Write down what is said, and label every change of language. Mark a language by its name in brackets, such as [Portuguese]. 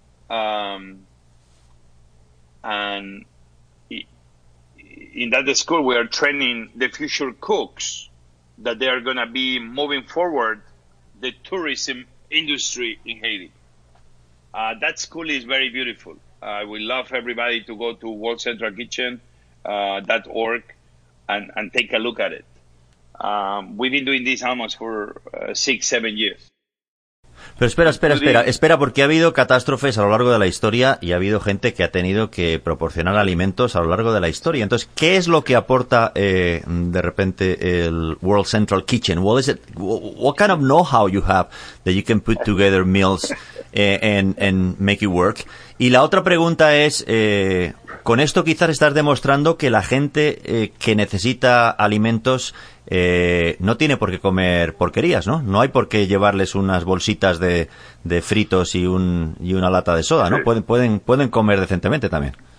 [English] And in that school, we are training the future cooks that they are going to be moving forward the tourism industry in Haiti. That school is very beautiful. I would love everybody to go to worldcentralkitchen.org and take a look at it. We've been doing this almost for 6-7 years. [Spanish] Pero espera, porque ha habido catástrofes a lo largo de la historia y ha habido gente que ha tenido que proporcionar alimentos a lo largo de la historia. Entonces, ¿qué es lo que aporta de repente el World Central Kitchen? [English] What is it? What kind of know-how you have that you can put together meals and make it work? [Spanish] Y la otra pregunta es, con esto quizás estás demostrando que la gente que necesita alimentos no tiene por qué comer porquerías, ¿no? No hay por qué llevarles unas bolsitas de fritos y una lata de soda, ¿no? Sí. Pueden comer decentemente también.